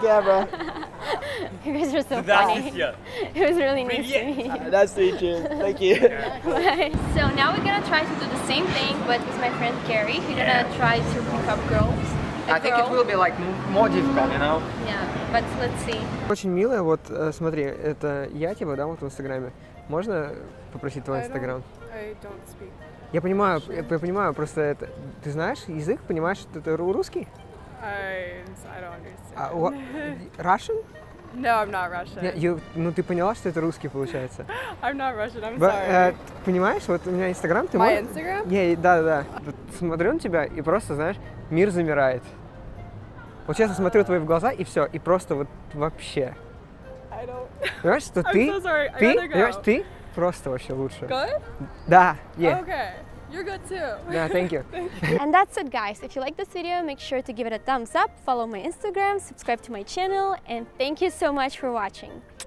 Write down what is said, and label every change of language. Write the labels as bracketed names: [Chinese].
[English] the camera? You guys are so funny. It was really nice to meet you. Nice to meet you. Thank you. Bye. So now we're gonna try to do the same thing, but with my friend Gary. He's gonna try to pick up girls. I think it will be like more difficult, you know? Yeah, but let's see. [Russian] Очень милая, вот смотри, это я типа, да, вот в Инстаграме. Можно попросить твой Инстаграм? [English] I don't speak. [Russian] Я понимаю, [English] sure. [Russian] Я понимаю, просто это... Ты знаешь язык, понимаешь, что это русский? [English] I don't understand. Russian? No, I'm not Russian. [Russian] Ну, ты поняла, что это русский получается? [English] I'm not Russian, I'm sorry. [Russian] Понимаешь, вот у меня Инстаграм, ты можешь... [English] My Instagram? [Russian] Да. Вот смотрю на тебя и просто, знаешь, мир замирает. Вот сейчас я смотрю твои в глаза и все, и просто вот вообще. [English] I don't... [Russian] Понимаешь, что ты... [English] I'm so sorry, I'd rather go. [Russian] Понимаешь, ты просто вообще лучше. [English] Good? [Russian] Да, [English] yeah. Okay. You're good too. Yeah, thank you. And that's it, guys. If you like this video, make sure to give it a thumbs up, follow my Instagram, subscribe to my channel, and thank you so much for watching.